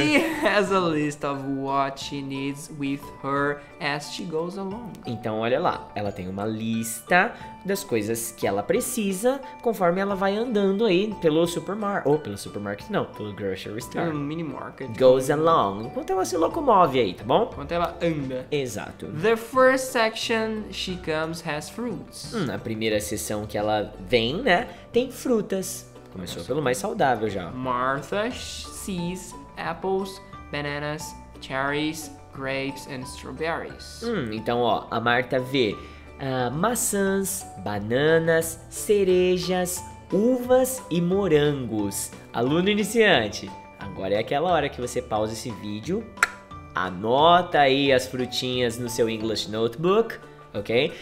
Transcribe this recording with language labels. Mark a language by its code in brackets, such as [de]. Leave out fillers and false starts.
[en] She has a list of what she needs with her as she goes along. [pt] Então, olha lá. Ela tem uma lista das coisas que ela precisa conforme ela vai andando aí pelo supermarket. Ou pelo supermarket, não. Pelo grocery store. Pelo mini market. [en] Goes along. [pt] Enquanto ela se locomove aí, tá bom? Enquanto ela anda. Exato. [en] The first section she comes has fruits. [pt] Na primeira seção que ela vem, né? Tem frutas. Começou nossa, pelo mais saudável já. [en] Martha sees apples, bananas, cherries, grapes and strawberries. [pt] Então, ó, a Martha vê maçãs, bananas, cerejas, uvas e morangos. Aluno iniciante, agora é aquela hora que você pausa esse vídeo, anota aí as frutinhas no seu English Notebook ok?